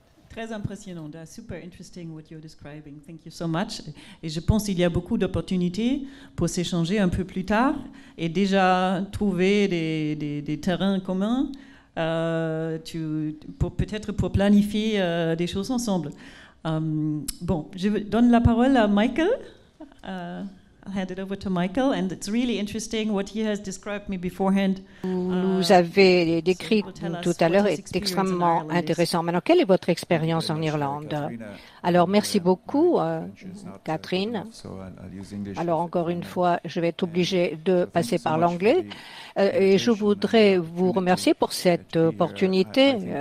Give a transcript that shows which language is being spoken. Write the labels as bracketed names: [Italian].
[French] Très impressionnant, [English] super interesting what you're describing. Thank you so much. [French] Et je pense qu'il y a beaucoup d'opportunités pour s'échanger un peu plus tard et déjà trouver des terrains communs pour planifier des choses ensemble. Bon, je donne la parole à Michael. [English] I'll hand it over to Michael, and it's really interesting what he has described me beforehand. [French] Vous nous avez décrit tout à l'heure, est extrêmement intéressant. Maintenant, quelle est votre expérience en Irlande? Alors, merci beaucoup, Catherine. Alors, encore une fois, je vais être obligée de passer par l'anglais. Et je voudrais vous remercier pour cette opportunité.